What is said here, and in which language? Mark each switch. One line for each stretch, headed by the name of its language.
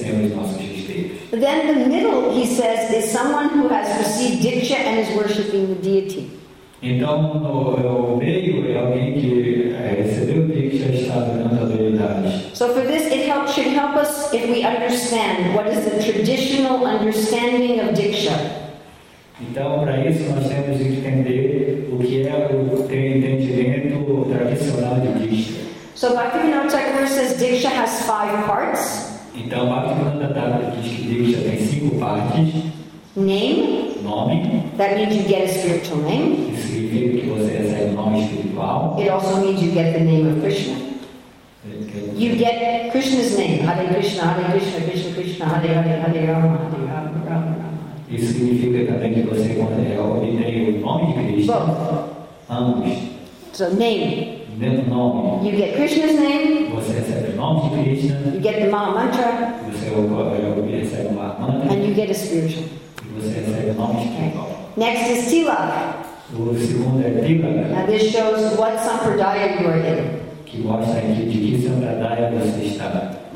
English: Then the middle, he says, is someone who has received diksha and is worshipping the deity.
Portuguese: Então, no meio é alguém que recebeu o que já está dando habilidades.
English: So for this, it helps, should help us if we understand what is the traditional understanding of diksha.
Portuguese: Então, para isso, nós temos que entender o que é o entendimento tradicional de diksha.
English: So Bhaktivinoda Thakur says diksha has five parts.
Portuguese: Então, Bhaktivinoda Thakur diz que diksha tem cinco partes.
English: Name.
Portuguese: Nome.
English: That means you get a spiritual name.
Portuguese: Isso significa que você recebe nome espiritual.
English: It also means you get the name of Krishna. You get Krishna's name. Hare Krishna, Hare Krishna, Krishna Krishna, Hare Hare, Hare Rama, Hare Rama.
Portuguese: Isso significa também que você obtém o nome de Krishna.
English: Both.
Portuguese: Ambos.
English: So name.
Portuguese: Nome.
English: You get Krishna's name.
Portuguese: Você recebe o nome de Krishna.
English: You get the Maha Mantra.
Portuguese: Você recebe o Maha Mantra.
English: And you get a spiritual. Okay. Next is Tilak.
Portuguese: O segundo é Tilak.
English: Now this shows what sampradaya you are in.
Portuguese: Que mostra aqui de que sampradaya você está.